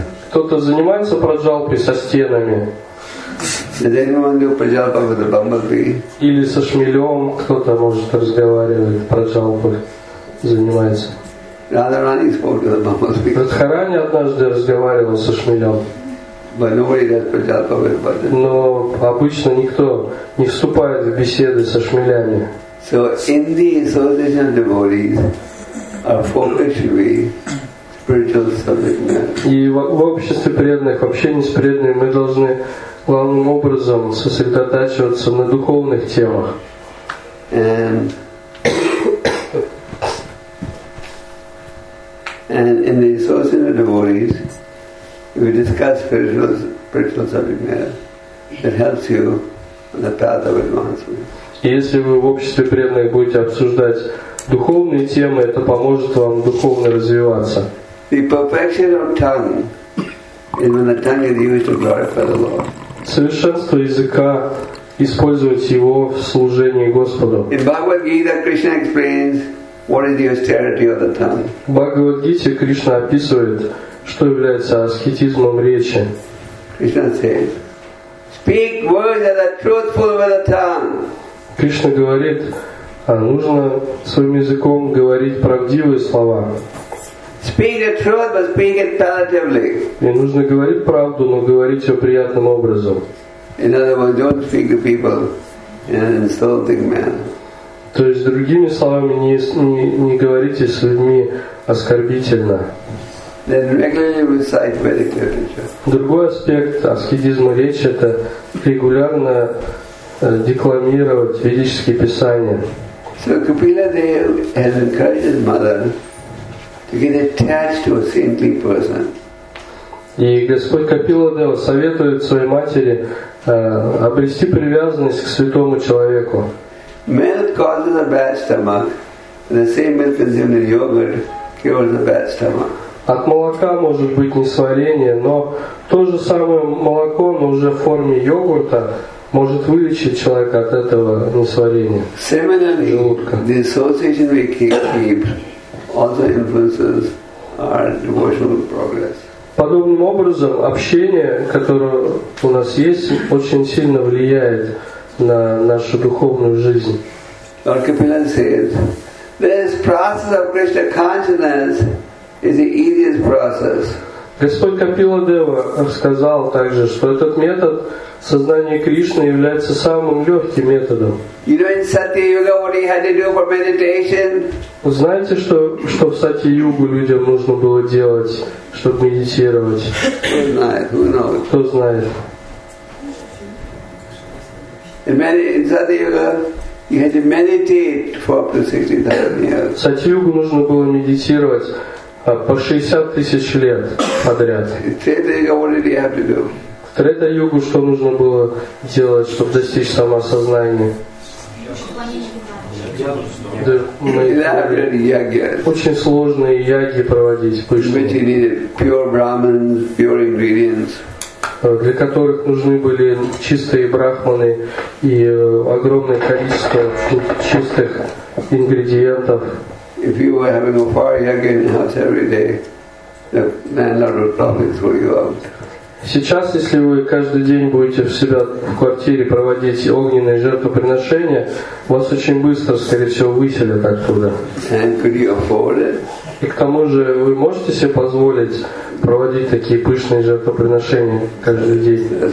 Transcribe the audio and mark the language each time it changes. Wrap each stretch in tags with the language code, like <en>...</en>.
<ru>Кто-то занимается праджалпой со стенами? Или со шмелем кто-то может разговаривать, праджалпой занимается? Радхарани однажды разговаривал со шмелем. Но обычно никто не вступает в беседы со шмелями.</ru> <en>So in the association of devotees, our focus should be spiritual subject matter.</en> <ru>И в обществе преданных, в общении с преданными, мы должны главным образом сосредотачиваться на духовных темах.</ru> <en>And in the association of devotees, we discuss spiritual subject matter that helps you on the path of advancement.</en> <ru>Если вы в обществе преданных будете обсуждать духовные темы, это поможет вам духовно развиваться.</ru> <en>The perfection of tongue is when the tongue is used to glorify the Lord.</en> <ru>Совершенство языка использовать его в служении Господу.</ru> <en>In Bhagavad Gita, Krishna explains what is the austerity of the tongue.</en> <ru>В Бхагавад Гите Кришна описывает, что является аскетизмом речи.</ru> <en>Krishna says, speak words that are truthful with the tongue.</en> <ru>Кришна говорит, нужно своим языком говорить правдивые слова.</ru> <en>Speak the truth, but speak it palatably.</en> <ru>И нужно говорить правду, но говорить ее приятным образом.</ru> <en>In other words, don't speak to people in an insulting manner.</en> <ru>То есть, другими словами, не говорите с людьми оскорбительно.</ru> <en>Then regularly recite Vedic literature.</en> <ru>Другой аспект аскетизма речи — это регулярно декламировать ведические писания.</ru> <en>So Kapila Dev has encouraged his mother to get attached to a saintly person.</en> <ru>И Господь Капила Дева советует своей матери обрести привязанность к святому человеку.</ru> <en>Milk causes a bad stomach, and the same milk consumed in yogurt cures a bad stomach.</en> <ru>От молока может быть несварение, но то же самое молоко, но уже в форме йогурта, может вылечить человека от этого несварения.</ru> <en>Similarly, the association we keep also influences our devotional progress.</en> <ru>Подобным образом, общение, которое у нас есть, очень сильно влияет на нашу духовную жизнь.</ru> <en>Lord Kapila says, this process of Krishna consciousness is the easiest process.</en> <ru>Господь Капила Дева сказал также, что этот метод сознания Кришны является самым легким методом.</ru> <en>You know, in Satya-yuga, what he had to do for meditation?</en> <ru>Знаете, что в Сати-югу людям нужно было делать, чтобы медитировать?</ru> <en>Who knows? In Satya-yuga, you had to meditate for up to 60,000 years.</en> <ru>В Сати-югу нужно было медитировать по 60 тысяч лет подряд. В Трета-югу что нужно было делать, чтобы достичь самосознания? Очень сложные яги проводить, пышные, для которых нужны были чистые брахманы и огромное количество чистых ингредиентов.</ru> <en>If you were having a fire yaga in your house every day, the landlord would probably throw you out.</en> <ru>Сейчас, если вы каждый день будете в себя в квартире проводить огненные жертвоприношения, вас очень быстро, скорее всего, выселят оттуда.</ru> <en>And could you afford it?</en> <ru>И к тому же, вы можете себе позволить проводить такие пышные жертвоприношения каждый день?</ru>